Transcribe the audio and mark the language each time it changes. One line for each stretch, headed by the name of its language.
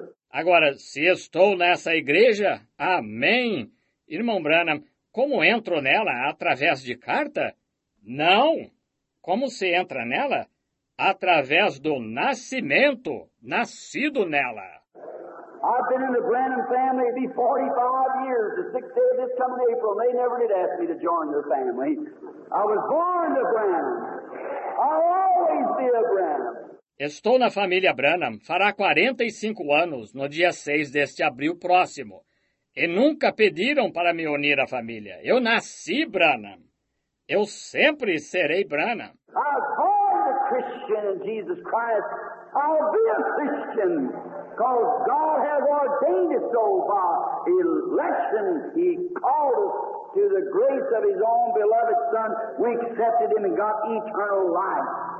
Portuguese: Agora, se estou nessa igreja, amém. Irmão Branham, como entro nela? Através de carta? Não. Como se entra nela? Através do nascimento, nascido nela.
English: I've been in the Branham family for 45 years. The sixth day of this coming April, they never did ask me to join their family. I was born a Branham. I'll always be a Branham.
Portuguese: Estou na família Branham, fará 45 anos, no dia 6 deste abril próximo. E nunca pediram para me unir à família. Eu nasci Branham. Eu sempre serei Branham.
English: I'm born a Christian in Jesus Christ. I'll be a Christian. Because God has ordained it so by election. He called us to the grace of his own beloved son. We accepted him and got eternal life.